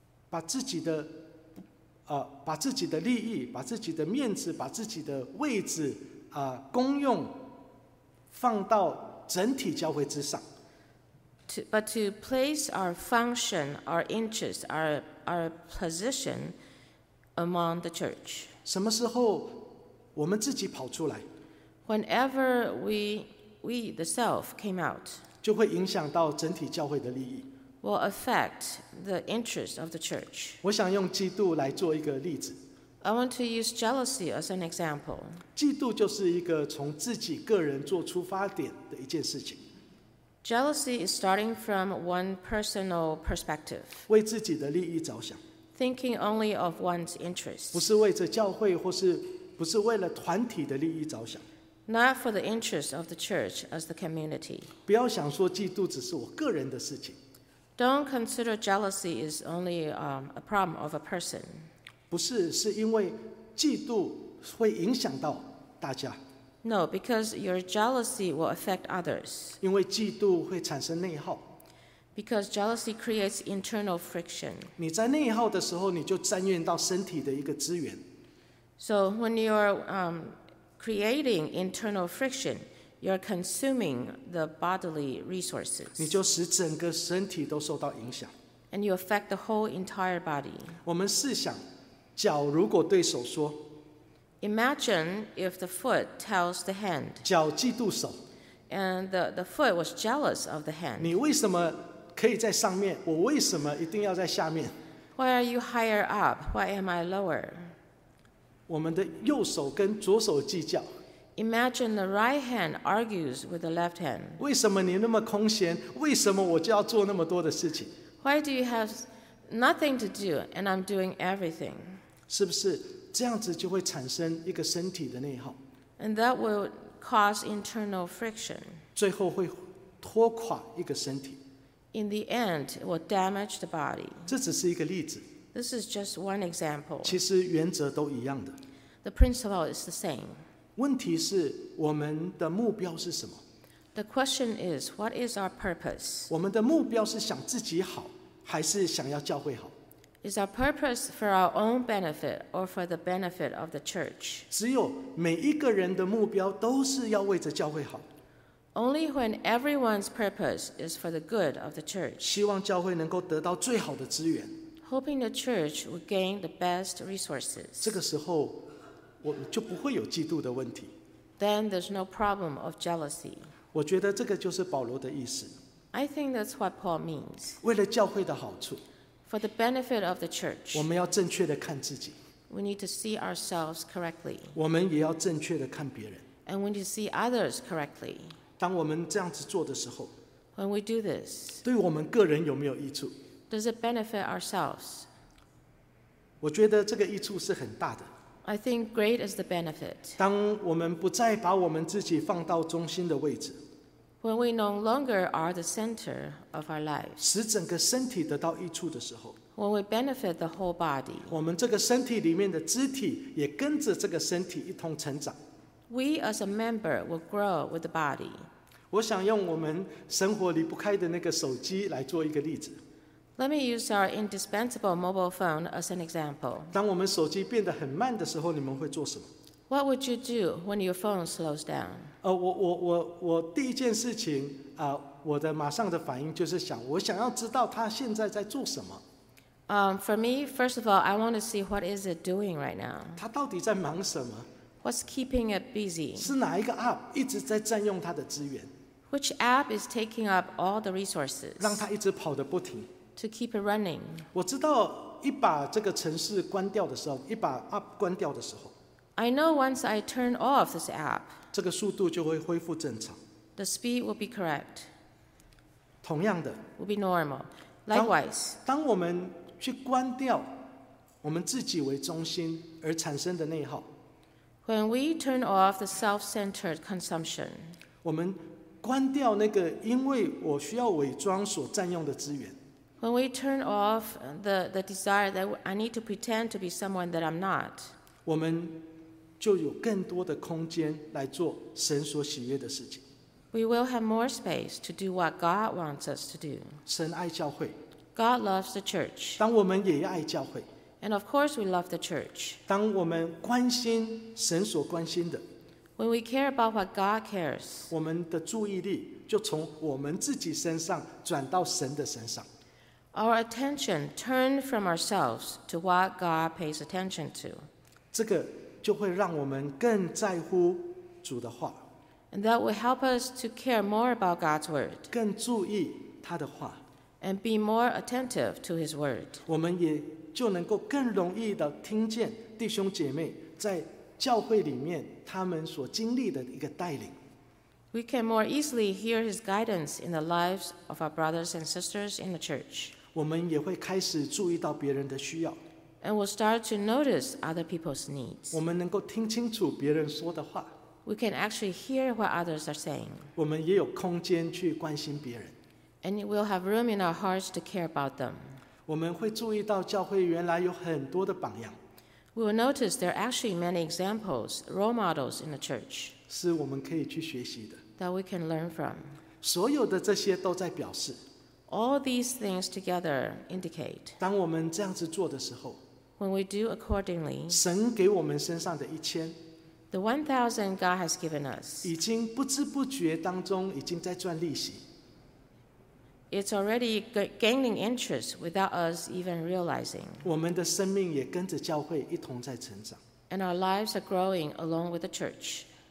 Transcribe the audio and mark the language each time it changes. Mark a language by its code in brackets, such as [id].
[zh] 把自己的利益，把自己的面子，把自己的位置，功用放到整体教会之上。 [en] But to place our function, our interest, our position among the church. [zh] 什么时候我们自己跑出来 [en] ？Whenever we the self came out， [zh] 就会影响到整体教会的利益。 [en] Will affect the interest of the church. [zh] 我想用嫉妒来做一个例子。 [en] I want to use jealousy as an example. [zh] 嫉妒就是一个从自己个人做出发点的一件事情。 [en] Jealousy is starting from one personal perspective. [zh] 为自己的利益着想。 [en] Thinking only of one's interest. [zh] 不是为着教会，或是不是为了团体的利益着想。 [en] Not for the interest of the church as the community. [zh] 不要想说嫉妒只是我个人的事情。 [en] Don't consider jealousy is only a problem of a person. [zh] 不是，是因为嫉妒会影响到大家。 [en] No, because your jealousy will affect others. [zh] 因为嫉妒会产生内耗。 [en] Because jealousy creates internal friction. [zh] 你在内耗的时候，你就占用到身体的一个资源。 [en] So when you're creating internal friction, you're consuming the bodily resources. [zh] 你就使整个身体都受到影响。 [en] And you affect the whole entire body. [zh] 我们试想，脚如果对手说。 [en] Imagine if the foot tells the hand. [zh] 脚嫉妒手。 [en] And the foot was jealous of the hand. [zh] 你为什么可以在上面？我为什么一定要在下面 [en] ？Why are you higher up? Why am I lower? [zh] 我们的右手跟左手计较。 [en] Imagine the right hand argues with the left hand. [zh] 为什么你那么空闲？为什么我就要做那么多的事情 [en] ？Why do you have nothing to do and I'm doing everything? [zh] 是不是？这样子就会产生一个身体的内耗。 [en] And that will cause internal friction. [zh] 最后会拖垮一个身体。 [en] In the end, it will damage the body. [zh] 这只是一个例子。 [en] This is just one example. [zh] 其实原则都一样的。 [en] The principle is the same. [zh] 问题是我们的目标是什么？ [en] The question is, what is our purpose? [zh] 我们的目标是想自己好，还是想要教会好？ [en] Is our purpose for our own benefit or for the benefit of the church? [zh] 只有每一个人的目标都是要为着教会好。 [en] Only when everyone's purpose is for the good of the church. [zh] 希望教会能够得到最好的资源。 [en] Hoping the church would gain the best resources. [zh] 这个时候，我就不会有嫉妒的问题。 [en] Then there's no problem of jealousy. [zh] 我觉得这个就是保罗的意思。 [en] I think that's what Paul means. [zh] 为了教会的好处。 [en] For the benefit of the church, [zh] 我们要正确地看自己。 [en] We need to see ourselves correctly. [zh] 我们也要正确地看别人。 [en] And we need to see others correctly. [zh] 当我们这样子做的时候， [en] When we do this, [zh] 对我们个人有没有益处？ [en] Does it benefit ourselves? [zh] 我觉得这个益处是很大的。 [en] I think great is the benefit. [zh] 当我们不再把我们自己放到中心的位置， [en] When we no longer are the center,of our lives. [zh] 使整个身体得到益处的时候， [en] When we benefit the whole body, [zh] 我们这个身体里面的肢体也跟着这个身体一同成长。 [en] We as a member will grow with the body. [zh] 我想用我们生活离不开的那个手机来做一个例子。 [en] Let me use our indispensable mobile phone as an example. [zh] 当我们手机变得很慢的时候，你们会做什么？ [en] What would you do when your phone slows down? [zh] 我第一件事情啊。我的马上的反应就是想，我想要知道他现在在做什么。 [en] For me, first of all, I want to see what is it doing right now. [zh] 他到底在忙什么 [en] ？What's keeping it busy? [zh] 是哪一个 app 一直在占用他的资源 [en] ？Which app is taking up all the resources? [zh] 让他一直跑得不停。 [en] To keep it running. [zh] 我知道一把这个程式关掉的时候，一把 app 关掉的时候 [en] ，I know once I turn off this app， [zh] 这个速度就会恢复正常。 [en] The speed will be correct。 [zh] 同样的 [en] ，will be normal。 Likewise， [zh] 当我们去关掉我们自己为中心而产生的内耗 [en] ，when we turn off the self-centered consumption， [zh] 我们关掉那个因为我需要伪装所占用的资源。 [en] When we turn off the desire that I need to pretend to be someone that I'm not， [zh] 我们就有更多的空间来做神所喜悦的事情。 [en] We will have more space to do what God wants us to do。 [zh] 神爱教会。 [en] God loves the church。 [zh] 当我们也爱教会。 [en] And of course we love the church。 [zh] 当我们关心神所关心的。 [en] When we care about what God cares， [zh] 我们的注意力就从我们自己身上转到神的身上。 [en] Our attention turned from ourselves to what God pays attention to. [zh] 这个就会让我们更在乎主的话。 [en] And that will help us to care more about God's word. [zh] 更注意他的话。 [en] And be more attentive to his word. [zh] 我们也就能够更容易的听见弟兄姐妹在教会里面他们所经历的一个带领。 [en] We can more easily hear his guidance in the lives of our brothers and sisters in the church. [zh] 我们也会开始注意到别人的需要。 [en] And we'll start to notice other people's needs. [zh] 我们能够听清楚别人说的话。 [en] We can actually hear what others are saying. [zh] 我们也有空间去关心别人。 [en] And we'll have room in our hearts to care about them. [zh] 我们会注意到教会原来有很多的榜样。 [en] We will notice there are actually many examples, role models in the church. [zh] 是我们可以去学习的。 [en] That we can learn from. [zh] 所有的这些都在表示。 [en] All these things together indicate. [zh] 当我们这样子做的时候， [en] when we do accordingly, [zh] 神给我们身上的一千， [en] the 1,000 God has given us, [zh] 已经不知不觉当中已经在赚利息。 [en] It's already gaining interest without us even realizing. [zh] 我们的生命也跟着教会一同在成长。 [en] And our lives are growing along with the church.